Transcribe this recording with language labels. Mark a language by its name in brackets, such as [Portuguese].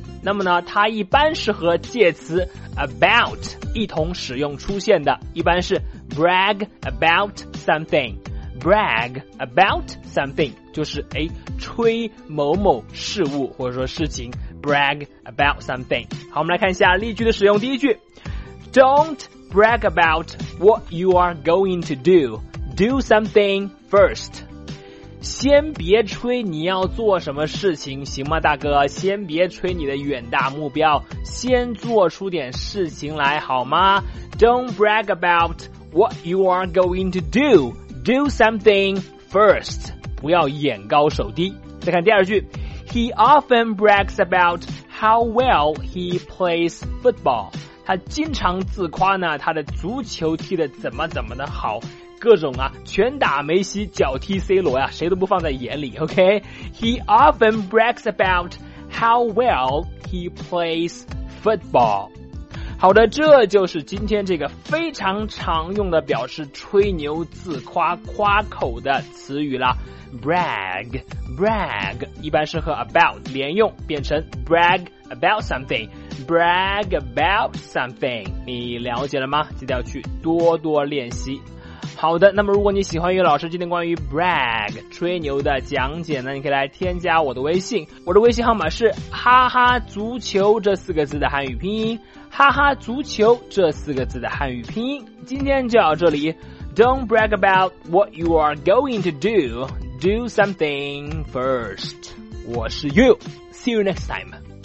[Chinese] 那么呢，它一般是和介词about 一同使用出现的，一般是 [English] brag about something， [Chinese] brag about something 就是诶吹某某事物或者说事情， brag about something。好，我们来看一下例句的使用。第一句， [English] Don't brag about what you are going to do, do something first。 [Chinese] 先别吹你要做什么事情，行吗大哥？先别吹你的远大目标，先做出点事情来好吗？ [English] Don't brag about what you are going to do, do something first。 [Chinese] 不要眼高手低。再看第二句， [English] He often brags about how well he plays football。 [Chinese] 他经常自夸呢，他的足球踢得怎么怎么的好，各种啊，拳打梅西，脚踢 C 罗呀，谁都不放在眼里， OK。 [English] He often brags about how well he plays football。 [Chinese] 好的，这就是今天这个非常常用的表示吹牛自夸夸口的词语了， brag brag， 一般是和 about 连用，变成 [English] brag about something， [Chinese] brag about something。你了解了吗？记得要去多多练习。好的，那么如果你喜欢于老师今天关于 brag 吹牛的讲解呢，你可以来添加我的微信，我的微信号码是哈哈足球这四个字的汉语拼音，哈哈足球这四个字的汉语拼音。今天就到这里， [English] Don't brag about what you are going to do, do something first。 [Chinese] 我是 [English] You, See you next time。